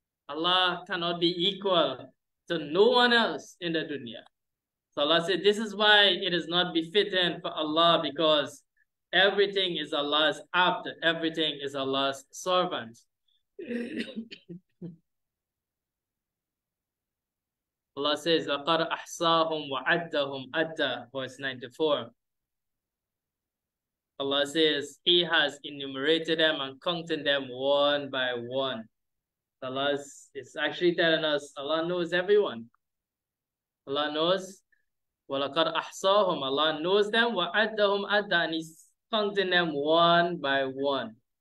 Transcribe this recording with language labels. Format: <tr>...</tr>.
<en>Allah cannot be equal to no one else in the dunya. So Allah said, this is why it is not befitting for Allah, because everything is Allah's abd, everything is Allah's servant. Allah says,</en> <ar>لَقَدْ أَحْصَاهُمْ وَعَدَّهُمْ عَدَّ.</ar> <en>Verse 94. Allah says, he has enumerated them and counted them one by one. Allah is actually telling us Allah knows everyone. Allah knows,</en> <ar>وَلَقَدْ أَحْصَاهُمْ.</ar> <en>Allah knows them,</en> <ar>وَعَدَّهُمْ عَدَّ,</ar> <en>and he's counting them one by one.</en>